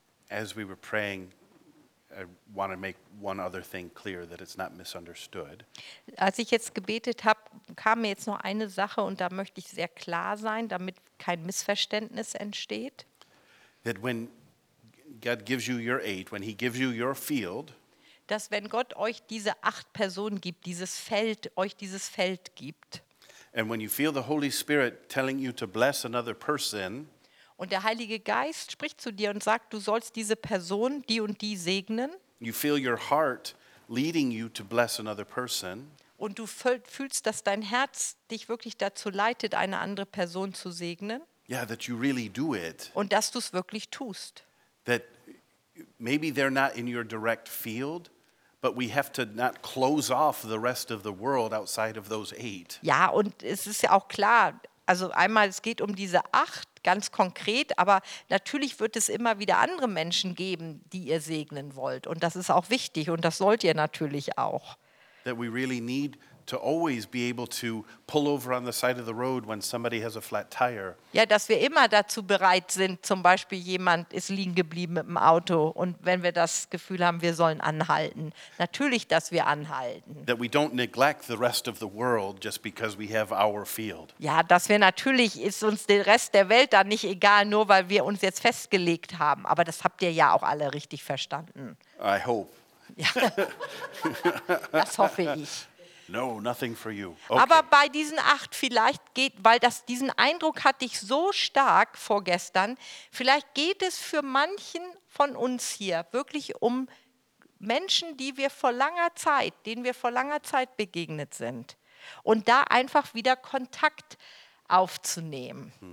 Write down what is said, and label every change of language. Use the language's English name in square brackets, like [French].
[English] As we were praying, I want to make one other thing clear, that it's not misunderstood. [German] Als ich jetzt gebetet habe, kam mir jetzt noch eine Sache und da möchte ich sehr klar sein, damit kein Missverständnis entsteht. [English] That when God gives you your eight, when he gives you your field, [German] dass wenn Gott euch diese acht Personen gibt, dieses Feld, euch dieses Feld gibt. [English] And when you feel the Holy Spirit telling you to bless another person, [German] und der Heilige Geist spricht zu dir und sagt, du sollst diese Person, die und die segnen. [English] You feel your heart leading you to bless another person. [German] Und du fühlst, dass dein Herz dich wirklich dazu leitet, eine andere Person zu segnen. [English] Yeah, that you really do it. [German] Und dass du es wirklich tust. [English] That maybe they're not in your direct field, but we have to not close off the rest of the world outside of those eight. [German] Ja, und es ist ja auch klar, also einmal, es geht um diese acht, ganz konkret, aber natürlich wird es immer wieder andere Menschen geben, die ihr segnen wollt. Und das ist auch wichtig und das sollt ihr natürlich auch. [English] That we really need to always be able to pull over on the side of the road when somebody has a flat tire. [German] Ja, dass wir immer dazu bereit sind, zum Beispiel jemand ist liegen geblieben mit dem Auto und wenn wir das Gefühl haben, wir sollen anhalten. Natürlich, dass wir anhalten. [English] That we don't neglect the rest of the world just because we have our field. [German] Ja, dass wir natürlich, ist uns der Rest der Welt dann nicht egal, nur weil wir uns jetzt festgelegt haben. Aber das habt ihr ja auch alle richtig verstanden. [English] I hope. [German] Ja. Das hoffe ich. [English] No, nothing for you. Okay. [German] Aber bei diesen acht vielleicht geht, weil das diesen Eindruck hatte ich so stark vorgestern, vielleicht geht es für manchen von uns hier wirklich um Menschen, die wir vor langer Zeit, denen wir vor langer Zeit begegnet sind. Und da einfach wieder Kontakt aufzunehmen.